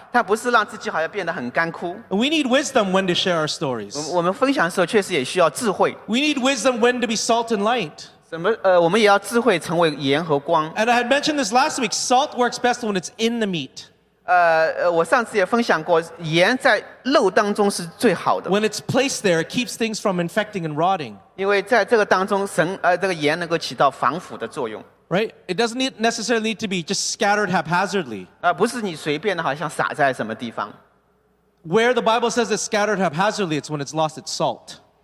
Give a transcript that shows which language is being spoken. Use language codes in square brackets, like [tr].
[en] We need wisdom when to share our stories. We need wisdom when to be salt and light. And I had mentioned this last week, salt works best when it's in the meat. [zh] 我上次也分享过盐在肉当中是最好的 [en] When it's placed there, it keeps things from infecting and rotting. [zh] 因为在这个当中，这个盐能够起到防腐的作用。 [en] Right? It doesn't need, necessarily need to be just scattered haphazardly. [zh] 不是你随便的好像撒在什么地方。 [en] Where the Bible says it's scattered haphazardly, it's when it's lost its salt.